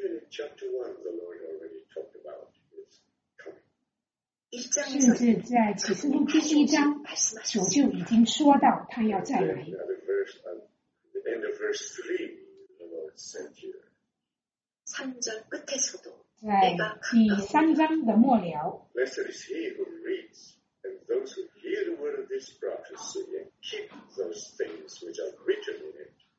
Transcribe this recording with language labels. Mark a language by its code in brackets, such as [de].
[en] Chapter 1, the Lord already talked about his coming. [zh] 甚至在启示录第一章，主就已经说到他要再来。 [en] At the verse, at the end of verse 3, the Lord said here. [ko] 3절끝에서도 [zh] 在第三章的末了。 [en] Blessed is he who reads, and those who hear the word of this prophecy, and keep those things which are written in it.